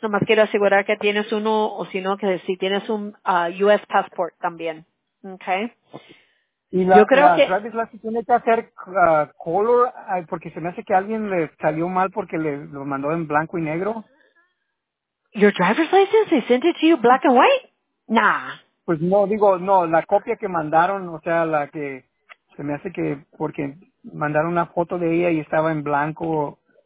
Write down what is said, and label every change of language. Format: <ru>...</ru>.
<es>Nomás quiero asegurar que tienes uno o si no, que si tienes un U.S. passport también. Okay. Y la driver's license tiene que hacer color, porque se me hace que alguien le salió mal porque le lo mandó en blanco y negro.</es> <en>Your driver's license, they sent it to you black and white? Nah.</en> <es>Pues no, digo, no, la copia que mandaron, o sea, la que se me hace que porque mandaron una foto de ella y estaba en blanco.</es>